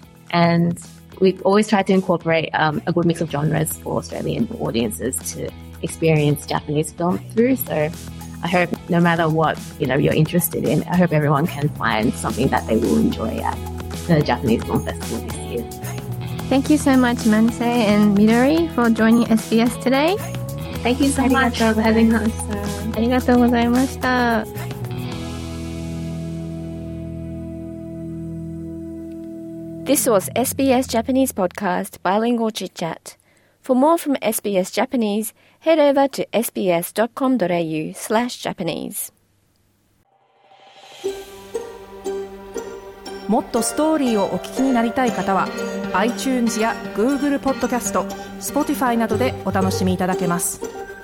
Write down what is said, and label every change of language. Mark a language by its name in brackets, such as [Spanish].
[English] And we've always tried to incorporate a good mix of genres for Australian audiences to experience Japanese film through. So I hope no matter what, you're interested in, I hope everyone can find something that they will enjoy at the Japanese Film Festival this year. Thank you so much, Manise and Midori, for joining SBS today. Thank you so much for having us. [Japanese] ありがとうございました。 [English] This was SBS Japanese Podcast Bilingual Chit Chat. For more from SBS Japanese, head over to sbs.com.au/Japanese. [Japanese] もっとストーリーをお聞きになりたい方は、iTunes や Google Podcast、Spotify などでお楽しみいただけます。